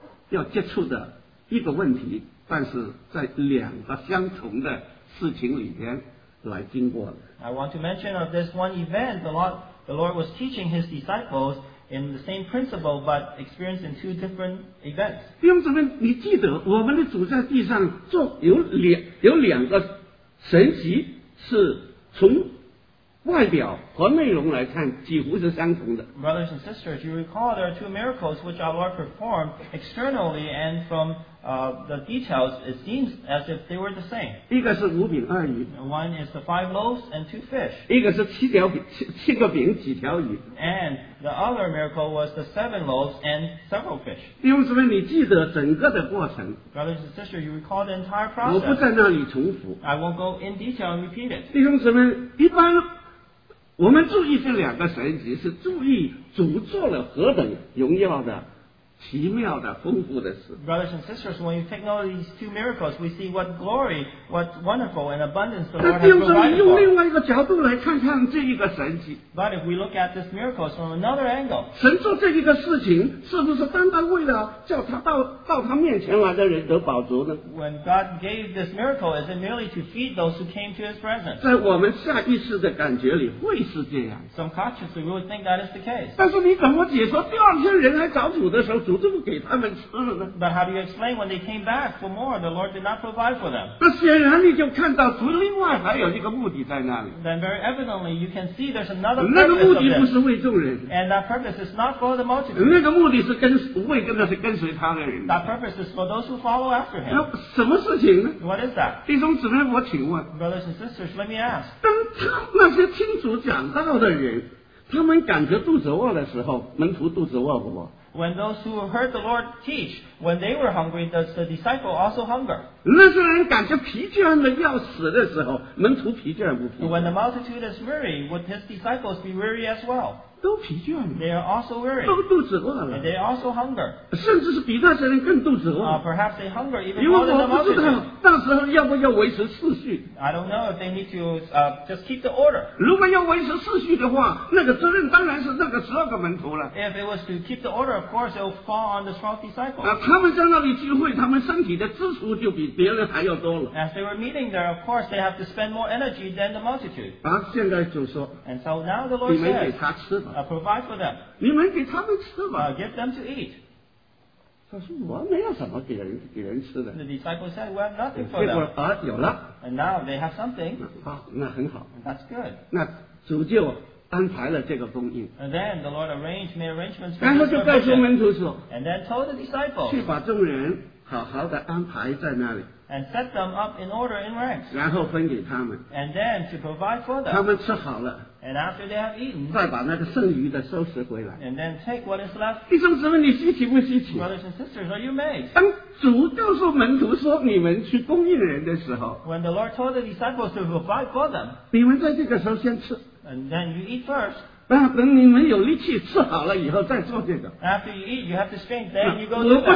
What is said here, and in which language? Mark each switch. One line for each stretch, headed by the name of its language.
Chinese: 要接触的一个问题，但是在两个相同的事情里边来经过的。
English: I want to mention of this one event, the Lord was teaching his disciples in the same principle, but experienced in two different events.
Chinese: 弟兄姊妹，你记得我们的主在地上做有两个神迹，是从外表和内容来看几乎是相同的。
English: Brothers and sisters, you recall there are two miracles which our Lord performed externally and from the details, it seems as if they were the same.
Chinese: 一个是五饼二鱼。
English: One is the five loaves and two fish.
Chinese: 一个是七个饼几条鱼。
English: And the other miracle was the seven loaves and several fish.
Chinese: 弟兄姊妹，你记得整个的过程。
English: Brothers and sisters, you recall the entire process.
Chinese: 我不在那里重复。
English: I won't go in detail and repeat it.
Chinese: 弟兄姊妹，一般我们注意这两个神迹，是注意主做了何等荣耀的、奇妙的、丰富的事。
English: Brothers and sisters, when you take note of these two miracles, we see what glory, what wonderful and abundance the Lord has provided for.
Chinese: 但弟兄姊妹，用另外一个角度来看看这一个神迹。
English: But if we look at this miracle from another angle,
Chinese: 神做这一个事情，是不是单单为了叫他到他面前来的人得饱足呢？
English: When God gave this miracle, is it merely to feed those who came to His presence?
Chinese: 在我们下意识的感觉里，会是这样。
English: Some consciously, we would think that is the case.
Chinese: 但是你怎么解说第二天人来找主的时候？主这不给他们吃了呢？
English: But how do you explain when they came back for more? The Lord did not provide for them.
Chinese: 那显然你就看到主另外还有一个目的在那里。
English: Then very evidently you can see there's another purpose.
Chinese: 那个目的不是为众人。
English: And that purpose is not for the multitude.
Chinese: 那个目的是跟随他的人。
English: That purpose is for those who follow after him.
Chinese: 那什么事情呢？
English: What is that?
Chinese: 弟兄姊妹，我请问。
English: Brothers and sisters, let me ask.
Chinese: 当他那些听主讲道的人，他们感觉肚子饿的时候，门徒肚子饿不饿？
English: When those who heard the Lord teach, when they were hungry, does the disciple also hunger?
Chinese: 那些人感觉疲倦的要死的时候，门徒疲倦不疲倦？
English: When the multitude is weary, would his disciples be weary as well?
Chinese: 都疲倦。
English: They are also weary.
Chinese: 都肚子饿了。
English: And they also hunger.
Chinese: 甚至是比那些人更肚子饿。
English: Perhaps they hunger even more than the multitude.
Chinese: 因为我不知道那时候要不要维持秩序。
English: I don't know if they need to just keep the order.
Chinese: 如果要维持秩序的话，那个责任当然是那个十二个门徒了。
English: If it was to keep the order, of course it would fall on the 12 disciples.
Chinese: 他们在那里聚会，他们身体的支出就比别人还要多了。
English: As they were meeting there, of course they have to spend more energy than the multitude.
Chinese: 现在就说。
English: And so now the Lord says,
Chinese: 你们给他吃吧。
English: Provide for them.
Chinese: 你们给他们吃吧。
English: Give them to eat.
Chinese: 他说我没有什么给人吃的。
English: The disciples said, we have nothing for them.
Chinese: 有了。
English: And now they have something.
Chinese: 那很好。
English: That's good.
Chinese: 那主就安排了这个供应。
English: And then the Lord arranged made arrangements.
Chinese: 然后就告诉门徒说。
English: And then told the disciples.
Chinese: 去把众人好好的安排在那里。
English: And set them up in order in ranks.
Chinese: 然后分给他们。
English: And then to provide for them.
Chinese: 他们吃好了。
English: And after they have eaten.
Chinese: 再把那个剩余的收拾回来。
English: And then take what is left.
Chinese: 弟兄姊妹，你稀奇不稀奇？
English: Brothers and sisters, are you amazed?
Chinese: 当主告诉门徒说你们去供应人的时候。
English: When the Lord told the disciples to provide for them.
Chinese: 你们在这个时候先吃。
English: And then you eat first.
Chinese: 那等你们有力气吃好了以后再做这个。
English: After you eat, you have the strength, then you go do that.